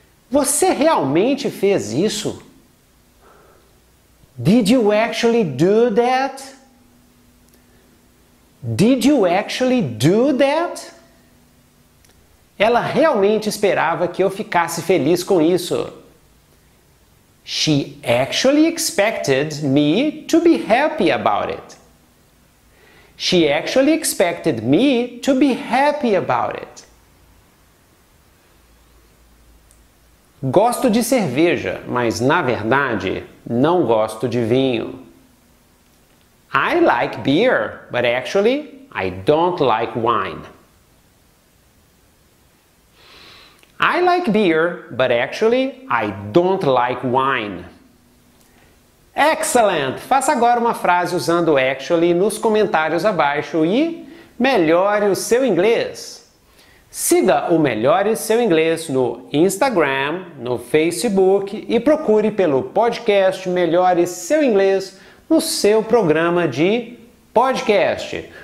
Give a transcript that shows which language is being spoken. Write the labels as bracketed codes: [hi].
[pt] Você realmente fez isso? [en] Did you actually do that? Did you actually do that? [pt] Ela realmente esperava que eu ficasse feliz com isso. [en] She actually expected me to be happy about it. She actually expected me to be happy about it. [pt] Gosto de cerveja, mas na verdade não gosto de vinho. [en] I like beer, but actually I don't like wine. I like beer, but actually I don't like wine. Excellent! [pt] Faça agora uma frase usando actually nos comentários abaixo e melhore o seu inglês. Siga o Melhore Seu Inglês no Instagram, no Facebook e procure pelo podcast Melhore Seu Inglês no seu programa de podcast.